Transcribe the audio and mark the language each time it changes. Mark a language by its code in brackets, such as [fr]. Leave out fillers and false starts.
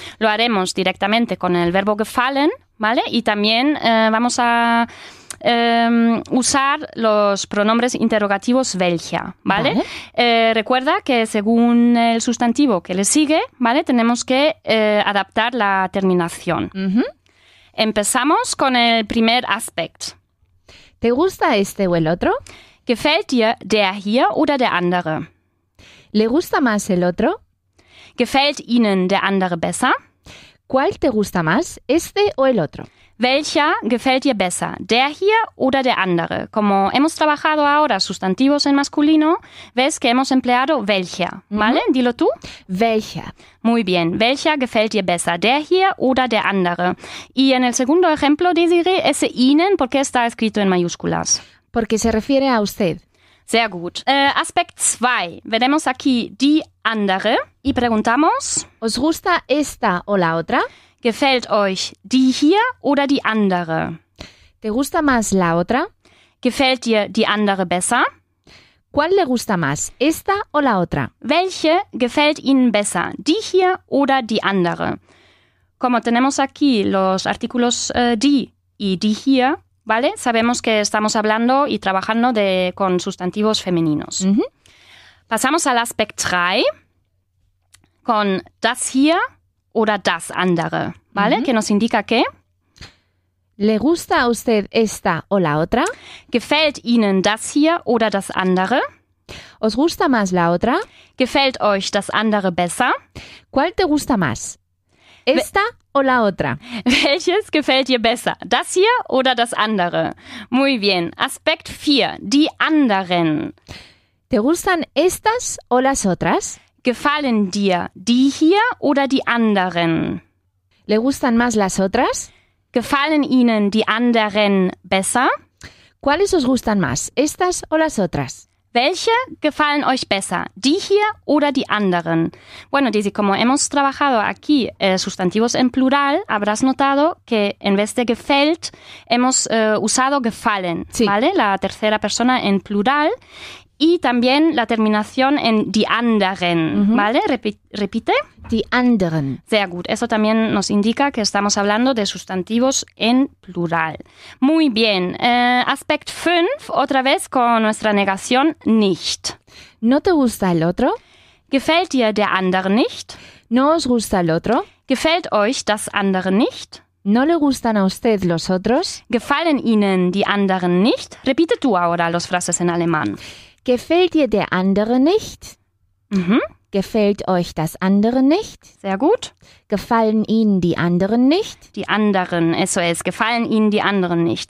[es] Lo haremos directamente con el verbo gefallen, ¿vale? Y también vamos a usar los pronombres interrogativos welcher, ¿vale? ¿Vale? Recuerda que según el sustantivo que le sigue, ¿vale? Tenemos que adaptar la terminación. Uh-huh. Empezamos con el primer aspect. ¿Te gusta este o el otro? [de] ¿Gefällt dir der hier oder der andere? [es] ¿Le gusta más el otro? [de] ¿Gefällt Ihnen der andere besser? [es] ¿Cuál te gusta más, este o el otro? [de] ¿Welcher gefällt dir besser, der hier oder der andere? [es] Como hemos trabajado ahora sustantivos en masculino, ves que hemos empleado welcher, ¿vale? Uh-huh. Dilo tú. [de] Welcher. [es] Muy bien. [de] ¿Welcher gefällt dir besser, der hier oder der andere? [es] Y en el segundo ejemplo, Desiree, ese Ihnen, ¿por qué está escrito en mayúsculas? Porque se refiere a usted. [de] Sehr gut. Aspect 2. [es] Veremos aquí [de] die andere [es] y preguntamos... ¿Os gusta esta o la otra? [de] ¿Gefällt euch die hier oder die andere? [es] ¿Te gusta más la otra? [de] ¿Gefällt dir die andere besser? [es] ¿Cuál le gusta más, esta o la otra? [de] ¿Welche gefällt Ihnen besser, die hier oder die andere? [es] Como tenemos aquí los artículos die y [de] die hier, [es] ¿vale? Sabemos que estamos hablando y trabajando con sustantivos femeninos. Mm-hmm. Pasamos al aspect 3 con [de] das hier oder das andere, [es] ¿vale? Mm-hmm. Que nos indica que... ¿Le gusta a usted esta o la otra? [de] ¿Gefällt Ihnen das hier oder das andere? [es] ¿Os gusta más la otra? [de] ¿Gefällt euch das andere besser? [es] ¿Cuál te gusta más? ¿Esta o la otra? [de] ¿Welches gefällt dir besser? ¿Das hier oder das andere? [es] Muy bien. Aspect 4. [de] Die anderen. [es] ¿Te gustan estas o las otras? [de] ¿Gefallen dir die hier oder die anderen? [es] ¿Le gustan más las otras? [de] ¿Gefallen Ihnen die anderen besser? [es] ¿Cuáles os gustan más? ¿Estas o las otras? [de] ¿Welche gefallen euch besser, die hier oder die anderen? [es] Bueno, Daisy, como hemos trabajado aquí sustantivos en plural, habrás notado que en vez de gefällt hemos usado gefallen, sí. ¿vale? La tercera persona en plural y también la terminación en [de] die anderen, [es] uh-huh. ¿vale? Repite. [de] Die anderen. Sehr gut. [es] Eso también nos indica que estamos hablando de sustantivos en plural. Muy bien. Aspect 5, otra vez con nuestra negación, nicht. ¿No te gusta el otro? [de] ¿Gefällt dir der andere nicht? [es] ¿No os gusta el otro? [de] ¿Gefällt euch das andere nicht? [es] ¿No le gustan a usted los otros? [de] ¿Gefallen Ihnen die anderen nicht? [es] Repite tú ahora las frases en alemán. [de] ¿Gefällt dir der andere nicht? Mhm. Gefällt euch das andere nicht? Sehr gut. Gefallen Ihnen die anderen nicht? Die anderen, SOS, gefallen Ihnen die anderen nicht.